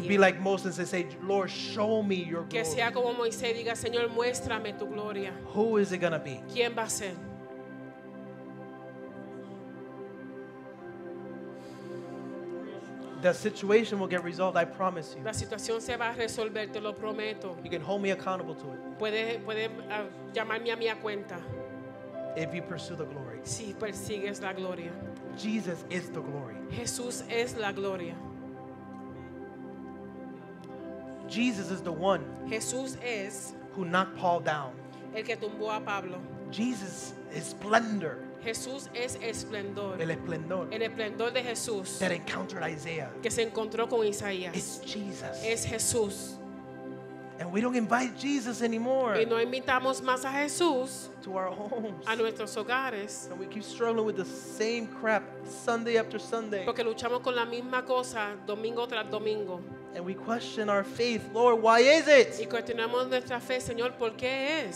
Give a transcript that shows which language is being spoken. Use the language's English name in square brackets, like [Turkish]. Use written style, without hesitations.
[English] To be like Moses and say, Lord, show me your glory. [Spanish] Que sea como Moisés diga, Señor, muéstrame tu gloria. [English] Who is it going to be? [Spanish] ¿Quién va a ser? [English] The The situation will get resolved, I promise you. [Spanish] La situación se va a resolver, te lo prometo. [English] You can hold me accountable to it. [Spanish] Puede llamarme a mi cuenta. [English] If you pursue the glory. [Spanish] Si persigues la gloria. [English] Jesus is the glory. [Spanish] Jesús es la gloria. [English] Jesus is the one. [Spanish] Jesús es [English] who knocked Paul down. [Spanish] El que tumbó a Pablo. [English] Jesus is splendor. [Spanish] Jesús es esplendor. El esplendor. El esplendor de Jesús. [English] That encountered Isaiah. [Spanish] Que se encontró con Isaías. [English] It's Jesus. [Spanish] Es Jesús. [English] And we don't invite Jesus anymore. [Spanish] Y no invitamos más a Jesús. [English] To our homes. [Spanish] A nuestros hogares. [English] And we keep struggling with the same crap Sunday after Sunday. [Spanish] Porque luchamos con la misma cosa domingo tras domingo. [English] And we question our faith, Lord, why is it? [Spanish] Y cuestionamos nuestra fe, Señor, ¿por qué es?